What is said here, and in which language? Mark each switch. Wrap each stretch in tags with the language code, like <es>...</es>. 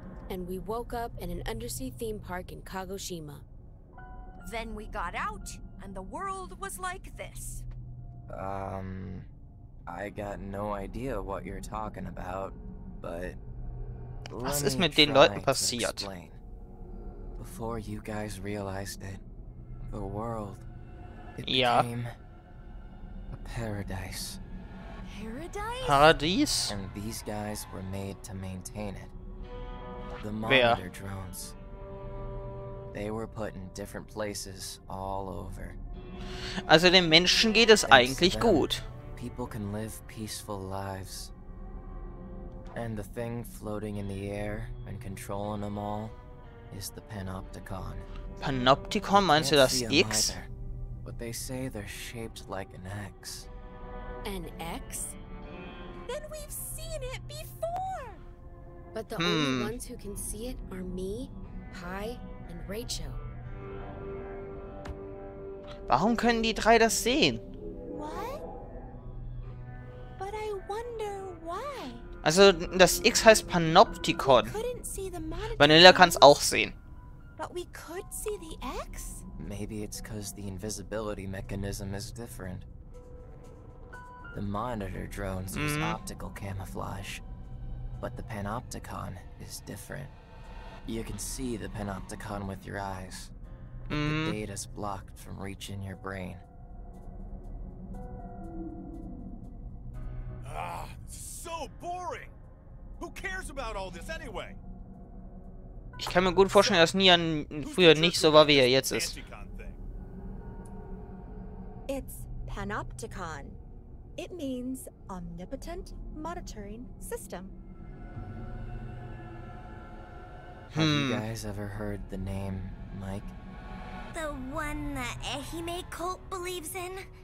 <en>And we woke up in an undersea theme park in Kagoshima. Then we got out and the world was like this. I got no idea what you're talking about, but</en> <de>was ist mit den Leuten passiert?</de> <en>Before you guys realized it, the world became a paradise.</en> <de>Paradies?</de> <en>And these guys were made to maintain it. The monitor drones. They were put in different places all over.</en> <de>Also den Menschen geht es eigentlich gut.</de> <en>People can live peaceful lives. And the thing floating in the air and controlling them all is the Panopticon.</en> <de>Panopticon, meinst du das X?</de> <en>But they say they're shaped like an X. An X? Then we've seen it before! But the only ones who can see it are me, Pi, and Rachel.</en> <de>Warum können die drei das sehen?</de> <en>What? But I wonder why.</en> <de>Also, das X heißt Panopticon. Vanilla kann es auch sehen.</de> <en>But we could see the X? Maybe it's because the invisibility mechanism is different. The monitor drones use optical camouflage. But the Panopticon is different. You can see the Panopticon with your eyes. The data's blocked from reaching your brain. Ah, so boring. Who cares about all this anyway?</en> <de>Ich kann mir gut vorstellen, dass Nian früher nicht so war, wie er jetzt ist.</de> <en>It's Panopticon. It means omnipotent monitoring system. Have you guys ever heard the name Mike? The one that Ehime cult believes in?</en>